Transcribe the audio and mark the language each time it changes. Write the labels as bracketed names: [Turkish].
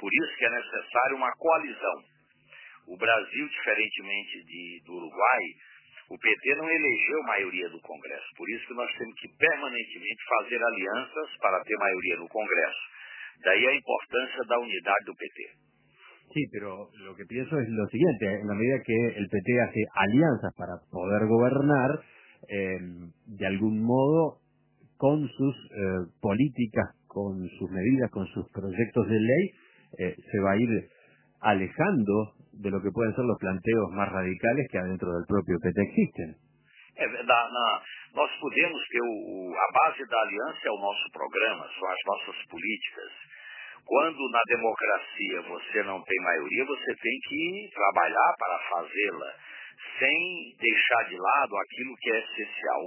[Portuguese] Por isso que é necessário uma coalizão. O Brasil, diferentemente do Uruguai, o PT não elegeu maioria do Congresso. Por isso que nós temos que permanentemente fazer alianças para ter maioria no Congresso. Daí a importância da unidade do PT. [Spanish] Sí, pero lo que pienso es lo siguiente. En la medida que el PT hace alianzas para poder gobernar, de algún modo, con sus políticas, con sus medidas, con sus proyectos de ley, se va a ir alejando de lo que pueden ser los planteos más radicales que adentro del propio PT existen. Es verdad, [Portuguese] nós podemos ter a base da aliança é o nosso programa, são as nossas políticas. Quando na democracia você não tem maioria, você tem que trabalhar para fazê-la, sem deixar de lado aquilo que é essencial.